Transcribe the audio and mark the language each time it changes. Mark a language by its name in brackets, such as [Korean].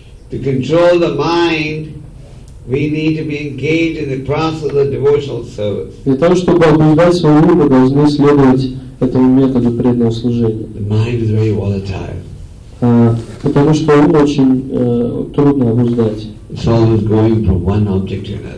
[English] To control the mind, we need to be engaged in the process of devotional service. [Russian] Для того, чтобы обуздать свой ум, мы должны следовать этому методу преданного служения. [English] The mind is very volatile. [Russian] Потому что ум очень трудно обуздать. [English] It's always going from one object to another.